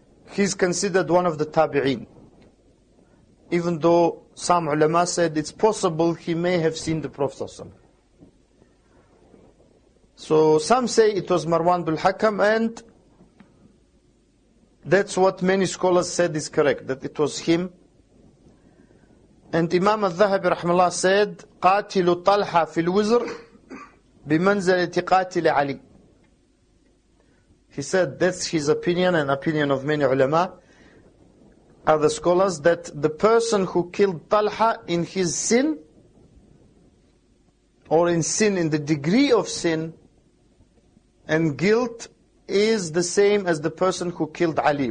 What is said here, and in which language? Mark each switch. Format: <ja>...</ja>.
<en>He's considered one of the tabi'een. Even though some ulama said it's possible he may have seen the Prophet ﷺ. So some say it was Marwan bin Hakam, and that's what many scholars said is correct, that it was him. And Imam al-Dhahabi rahimahullah said,</en> <ar>قاتل طلحة في الوزر بمنزلة قاتل علي.</ar> <en>He said, that's his opinion and opinion of many ulama, other scholars, that the person who killed Talha in his sin, or in sin, in the degree of sin and guilt, is the same as the person who killed Ali.</en>